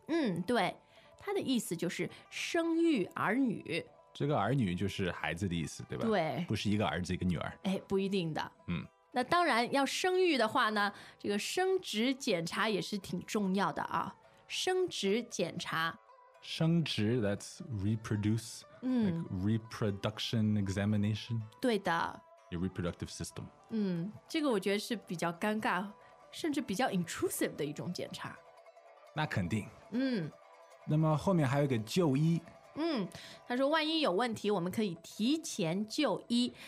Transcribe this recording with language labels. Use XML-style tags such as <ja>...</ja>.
<zh>嗯，对，它的意思就是生育儿女。这个儿女就是孩子的意思对吧？对，不是一个儿子一个女儿。哎，不一定的。嗯，那当然要生育的话呢，这个生殖检查也是挺重要的啊。生殖检查，</zh> <en>生殖 that's reproduce。 Like、reproduction examination。</en> <zh>对的，</zh> <en>your reproductive system。</en> <zh>嗯，这个我觉得是比较尴尬甚至比较 intrusive 的一种检查。那肯定。嗯，那么后面还有一个就医。嗯，他说万一有问题我们可以提前就医。</zh>